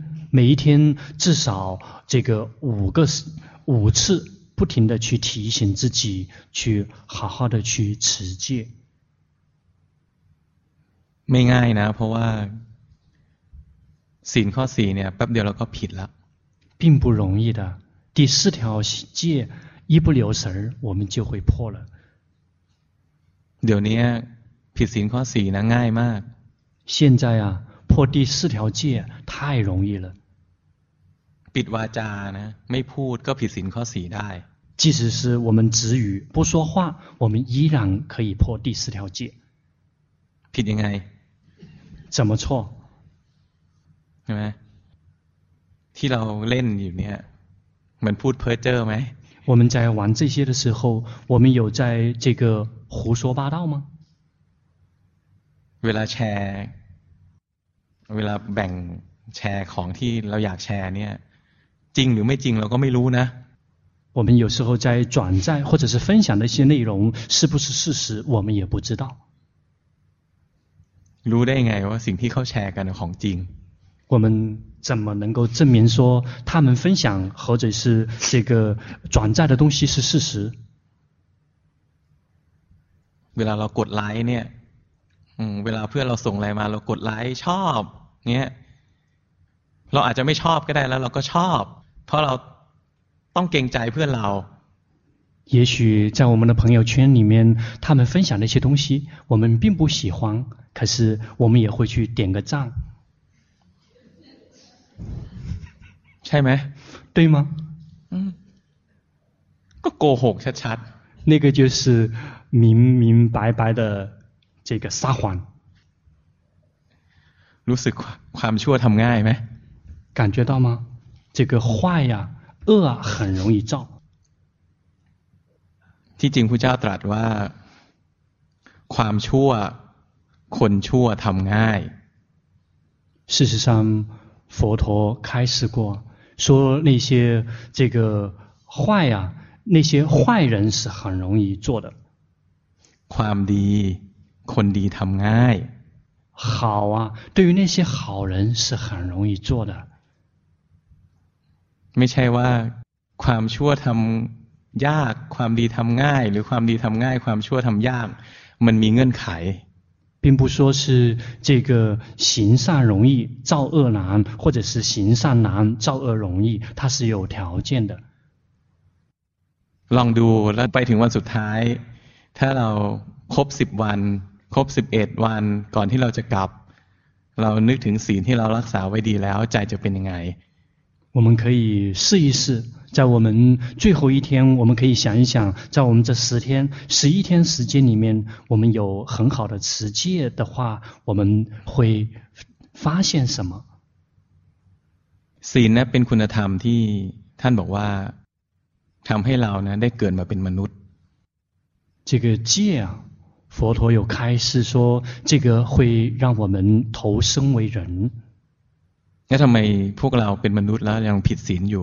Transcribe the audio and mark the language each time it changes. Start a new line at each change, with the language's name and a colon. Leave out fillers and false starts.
Chinese: 每一天至少这个五次不停的去提醒自己去好好的去持戒
Thai: ไม่ง่ายนะเพราะว่าศีลข้อ4เนี่ยแป๊บเดียวเราก็ผิดละ
Chinese: 并不容易的第四条戒一不留神我们就会破了
Thai: เดี๋ยวนี้ผิดศีลข้อ4นะง่ายมาก
Chinese: 现在啊破第四条戒太容易了
Thai: ปิดวาจานะไม่พูดก็ผิดศีลข้อ4ได้
Chinese: 即使是我们止语不说话我们依然可以破第四条戒
Thai: ผิดยังไง
Chinese: 怎么错
Thai: ใช่ไหมที่เราเล่นอยู่เนี่ยมันพูดเพ้อเจ้อไหม
Chinese: 我们在玩这些的时候我们有在这个胡说八道吗
Thai: เวลาแชร์เวลาแบ่งแชร์ของที่เราอยากแชร์เนี่ยจริงหรือไม่จริงเราก็ไม่รู้นะ
Chinese: 我们有时候在转载或者是分享的一些内容是不是事实我们也不知道
Thai: รู้ได้ไงว่าสิ่งที่เขาแชร์กันของจริง
Chinese: 我们怎么能够证明说他们分享或者是这个转载的东西是事实？
Thai: เวลาเรากดไลค์เนี่ยเวลาเพื่อนเราส่งอะไรมาเรากดไลค์ชอบเนี่ยเราอาจจะไม่ชอบก็ได้แล้วเราก็ชอบเพราะเราต้องเกรงใจเพื่อนเรา
Chinese: 也许在我们的朋友圈里面他们分享的一些东西我们并不喜欢可是我们也会去点个赞
Thai: ใช่ไหม
Chinese: 对吗
Thai: ก็โกหกชัด
Chinese: ๆ那个就是明明白白的这个撒谎
Thai: รู้สึกความชั่วทำง่ายไหม
Chinese: 感觉到吗这个坏呀恶啊很容易造
Thai: ที่จริงพุทธเจ้าตรัสว่าความชั่วคนชั่วทำง่าย
Chinese: 事实上佛陀开示过说那些这个坏啊那些坏人是很容易做的
Thai: ความดีคนดีทำง่าย
Chinese: 好啊对于那些好人是很容易做的
Thai: ไม่ใช่ว่าความชั่วทำยากความดีทำง่ายหรือความดีทำง่ายความชั่วทำยากมันมีเงื่อนไข
Chinese: 并不说是这个行善容易造恶难或者是行善难造恶容易它是有条件的
Thai: ลองดูแล้วไปถึงวันสุดท้ายถ้าเราครบ10วันครบ11วันก่อนที่เราจะกลับเรานึกถึงศีลที่เรารักษาไว้ดีแล้วใจจะเป็นยังไง
Chinese: 我们可以试一试在我们最后一天我们可以想一想在我们这十天十一天时间里面我们有很好的持戒的话我们会发现什么
Thai: ศีลนะเป็นคุณธรรมที่ท่านบอกว่าทำให้เรานะได้เกิดมาเป็นมนุษย์
Chinese: 这个戒啊佛陀有开示说这个会让我们投生为人
Thai: 那ทำไมพวกเราเป็นมนุษย์แล้วยังผิดศีลอยู